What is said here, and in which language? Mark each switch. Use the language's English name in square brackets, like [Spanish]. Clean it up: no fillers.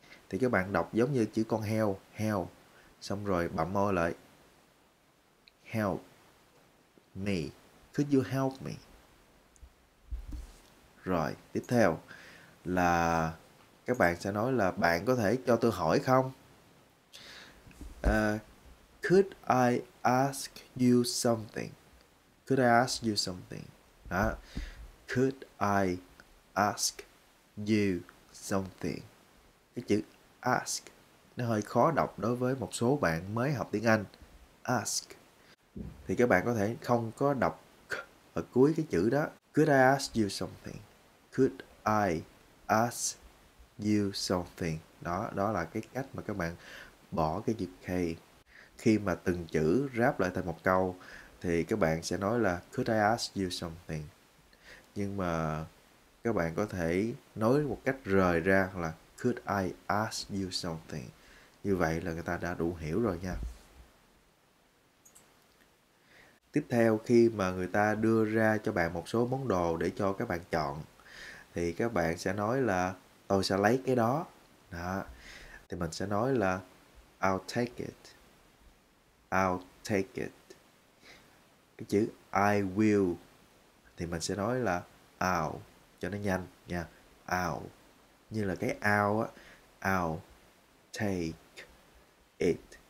[Vietnamese] Thì các bạn đọc giống như chữ con heo, help. Xong rồi bặm môi lại. [English] Help me. Could you help me? [Vietnamese] Rồi, tiếp theo là các bạn sẽ nói là bạn có thể cho tôi hỏi không? [English] Could I ask you something? Could I ask you something? Đó. Could I ask you something? [Vietnamese] Cái chữ ask nó hơi khó đọc đối với một số bạn mới học tiếng Anh. Ask. Thì các bạn có thể không có đọc ở cuối cái chữ đó. [English] Could I ask you something? Could I ask you something? [Vietnamese] Đó, đó là cái cách mà các bạn bỏ cái chữ K. Khi mà từng chữ ráp lại thành một câu thì các bạn sẽ nói là [English] Could I ask you something? [Vietnamese] Nhưng mà các bạn có thể nói một cách rời ra là [English] Could I ask you something? [Vietnamese] Như vậy là người ta đã đủ hiểu rồi nha. Tiếp theo, khi mà người ta đưa ra cho bạn một số món đồ để cho các bạn chọn thì các bạn sẽ nói là tôi sẽ lấy cái đó. Đó. Thì mình sẽ nói là [English] I'll take it. I'll take it. [Vietnamese] Cái chữ I will thì mình sẽ nói là I'll cho nó nhanh nha. [English] I'll. [Vietnamese] Như là cái I'll á, [English] I'll take it.